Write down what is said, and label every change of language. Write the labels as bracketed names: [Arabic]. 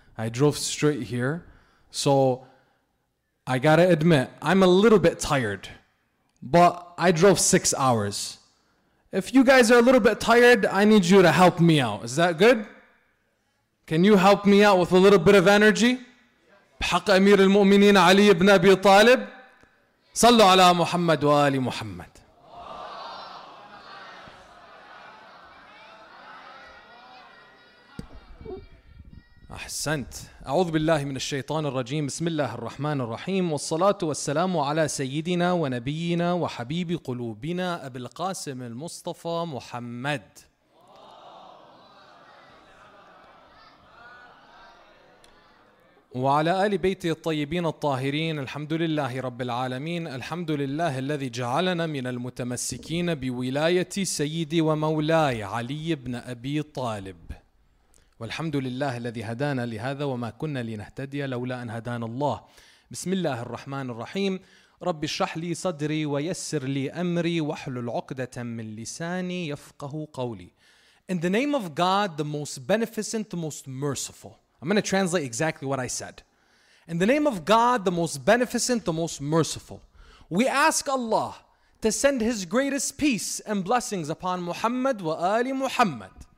[English] I drove straight here. So I gotta admit, I'm a little bit tired, but I drove 6 hours. If you guys are a little bit tired, I need you to help me out. Is that good? Can you help me out with a little bit of energy? [Arabic] بحق أمير المؤمنين علي بن أبي طالب صلوا على محمد وآل محمد. أحسنت. أعوذ بالله من الشيطان الرجيم. بسم الله الرحمن الرحيم. والصلاة والسلام على سيدنا ونبينا وحبيب قلوبنا أبي القاسم المصطفى محمد. وعلى آل بيته الطيبين الطاهرين. الحمد لله رب العالمين. الحمد لله الذي جعلنا من المتمسكين بولاية سيدي ومولاي علي بن أبي طالب. والحمد لله الذي هدانا لهذا وما كنا لنهتدي لولا أن هدانا الله. بسم الله الرحمن الرحيم. رب اشرح لي صدري ويسر لي أمري واحلل عقدة من لساني يفقه قولي. [English] In the name of God, the most beneficent, the most merciful. I'm going to translate exactly what I said. In the name of God, the most beneficent, the most merciful. We ask Allah to send His greatest peace and blessings upon Muhammad wa Ali Muhammad.